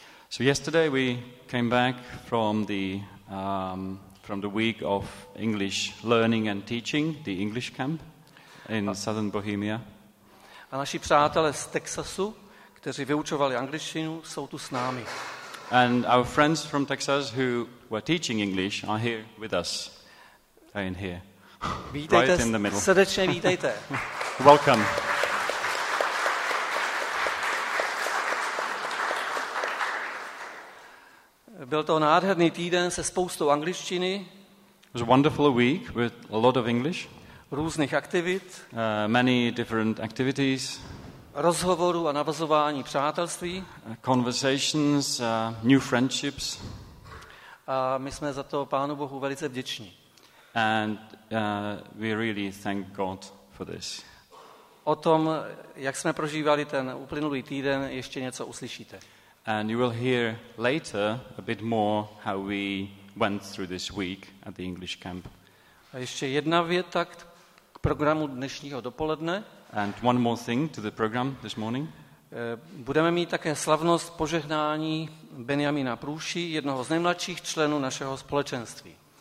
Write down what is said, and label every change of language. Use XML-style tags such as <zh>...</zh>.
<en>So yesterday we came back from the week of English learning and teaching, the English camp in southern Bohemia.</en> <cs>A naši přátelé z Texasu, kteří vyučovali angličtinu, jsou tu s námi.</cs> <en>And our friends from Texas who were teaching English are here with us. They're in here.</en> <cs>Vítejte,</cs> <en>right in the middle.</en> <cs>Srdečně vítejte.</cs> <en>Welcome.</en> <cs>Byl to nádherný týden se spoustou angličtiny.</cs> <en>It was a wonderful week with a lot of English.</en> <cs>Různých aktivit.</cs> <en>Many different activities.</en> <cs>Rozhovoru a navazování přátelství.</cs> <en>Conversations, new friendships.</en> <cs>A my jsme za to Pánu Bohu velice vděční.</cs> <en>And we really thank God for this.</en> <cs>O tom, jak jsme prožívali ten uplynulý týden, ještě něco uslyšíte.</cs> <en>And you will hear later a bit more how we went through this week at the English camp.</en> <cs>A ještě jedna věta k programu dnešního dopoledne.</cs> <en>And one more thing to the program this morning.</en> <cs>Budeme mít také slavnost požehnání Benjamina Průší, jednoho z nejmladších členů našeho společenství.</cs>